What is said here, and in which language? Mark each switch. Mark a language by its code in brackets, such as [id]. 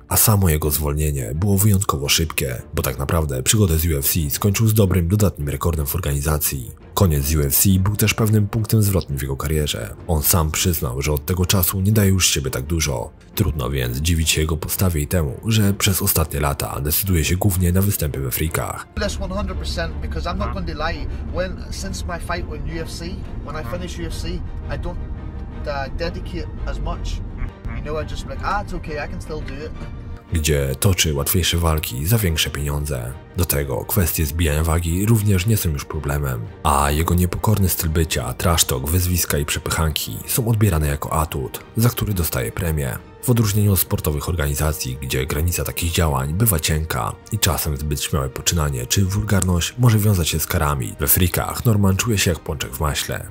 [pl] A samo jego zwolnienie było wyjątkowo szybkie, bo tak naprawdę przygodę z UFC skończył z dobrym, dodatnim rekordem w organizacji. Koniec z UFC był też pewnym punktem zwrotnym w jego karierze. On sam przyznał, że od tego czasu nie daje już z siebie tak dużo. Trudno więc dziwić się jego postawie i temu, że przez ostatnie lata decyduje się głównie na występy we freakach. [en] Less 100%, because I'm not going to lie. When since my fight with UFC, when I finish UFC, I don't dedicate as much. You know, I just like, it's okay, I can still do it. [pl] Gdzie toczy łatwiejsze walki za większe pieniądze. Do tego kwestie zbijania wagi również nie są już problemem. A jego niepokorny styl bycia, trash talk, wyzwiska i przepychanki są odbierane jako atut, za który dostaje premię. W odróżnieniu od sportowych organizacji, gdzie granica takich działań bywa cienka i czasem zbyt śmiałe poczynanie czy wulgarność może wiązać się z karami, we freakach Norman czuje się jak pączek w maśle.